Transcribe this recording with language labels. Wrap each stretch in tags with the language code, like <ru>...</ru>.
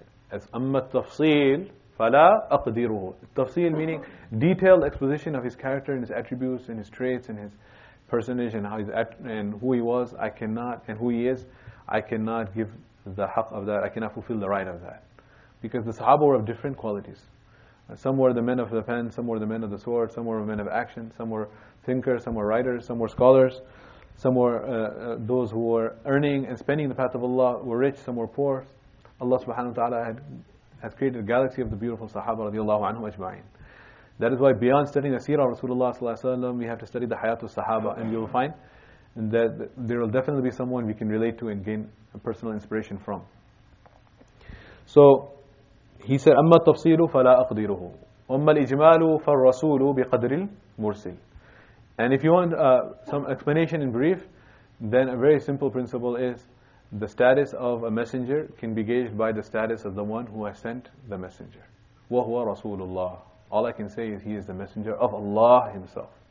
<ar>As أَمَّا التَّفْصِيلُ فَلَا أَقْدِرُهُ.</ar> <en>Tafsil meaning detailed exposition of his character and his attributes and his traits and his personage and how he's and who he was, I cannot, and who he is, I cannot give the haq of that, I cannot fulfill the right of that. Because the Sahaba were of different qualities. Some were the men of the pen, some were the men of the sword, some were men of action, some were thinkers, some were writers, some were scholars, some were those who were earning and spending the path of Allah, were rich, some were poor. Allah subhanahu wa ta'ala had created a galaxy of the beautiful Sahaba radiallahu anhu ajma'in. That is why beyond studying the seerah of Rasulullah sallallahu alayhi wa sallam, we have to study the hayat of Sahaba, and you will find and that there will definitely be someone we can relate to and gain a personal inspiration from. So he said,</en> <ar>أما التفصيل فلا أقدره وأما الإجمال فالرسول بقدر المرسل.</ar> <en>And if you want some explanation in brief, then a very simple principle is the status of a messenger can be gauged by the status of the one who has sent the messenger.</en> <ar>وَهُوَ رَسُولُ اللَّهِ.</ar> <en>All I can say is he is the messenger of Allah himself.</en>